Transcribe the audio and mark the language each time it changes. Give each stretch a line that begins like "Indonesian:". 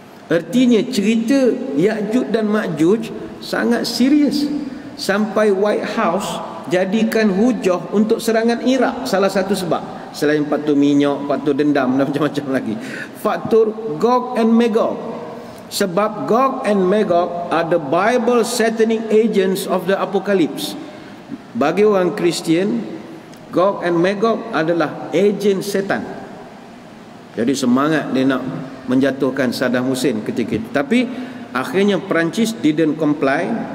Malay: Artinya cerita Ya'juj dan Ma'juj sangat serius, sampai White House jadikan hujah untuk serangan Iraq salah satu sebab, selain faktor minyak, faktor dendam dan macam-macam lagi, faktor Gog and Magog.
English: Sebab Gog and Magog are the Bible satanic agents of the apocalypse.
Malay: Bagi orang Kristian, Gog and Magog adalah agen setan. Jadi semangat dia nak menjatuhkan Saddam Hussein ketika itu. Tapi akhirnya Perancis
English: didn't comply.